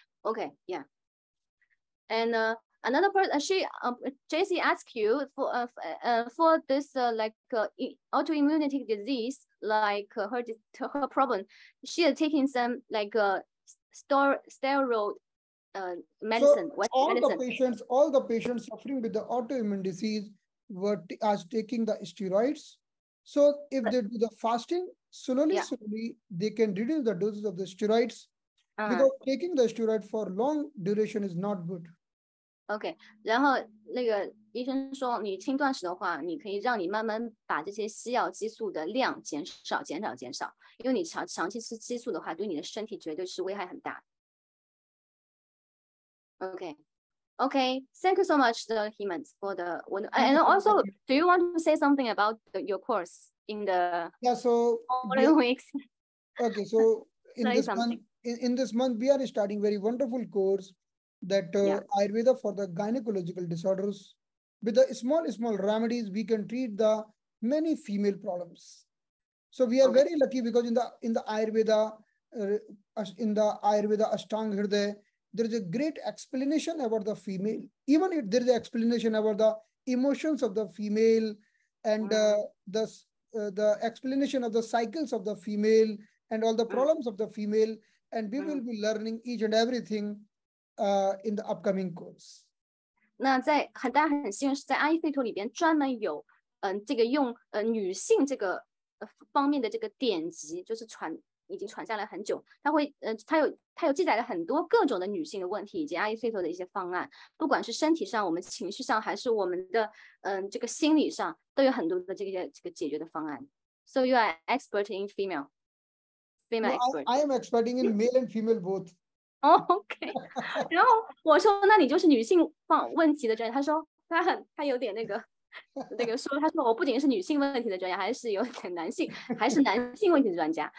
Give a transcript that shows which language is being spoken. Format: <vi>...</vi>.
<en>OK yeah and another person she JC ask you for this like autoimmunity disease like her problem she is taking some like steroid medicine. So all medicine? all the patients suffering with the autoimmune disease are taking the steroids. So if they do the fasting, slowly, they can reduce the doses of the steroids. Because taking the steroid for long duration is not good. Okay.</en> <zh>然后那个医生说，你轻断食的话，你可以让你慢慢把这些西药激素的量减少。因为你长期吃激素的话，对你的身体绝对是危害很大。</zh> <en>Okay. Okay, thank you so much, Hemant, for the one. And also, do you want to say something about your course in the weeks? Okay, so in this month, we are starting a very wonderful course that Ayurveda for the gynecological disorders. With the small remedies, we can treat the many female problems. So we are very lucky because in the Ayurveda Ashtang Hriday, there is a great explanation about the female. Even if there is an explanation about the emotions of the female and the explanation of the cycles of the female and all the problems of the female. And we will be learning each and everything in the upcoming course.</en> <zh>那在很大很幸运是在阿育吠陀里边专门有这个用女性这个方面的这个典籍就是传已经传下来很久，它有记载了很多各种的女性的问题以及阿育吠陀的一些方案，不管是身体上、我们情绪上，还是我们的这个心理上，都有很多的这个解决的方案。</zh> <en>So you are expert in female expert. I am expert in male and female both. Okay.</en> <zh>然后我说，那你就是女性方问题的专家。他说，他有点那个说，他说我不仅是女性问题的专家，还是有点男性问题的专家。</zh>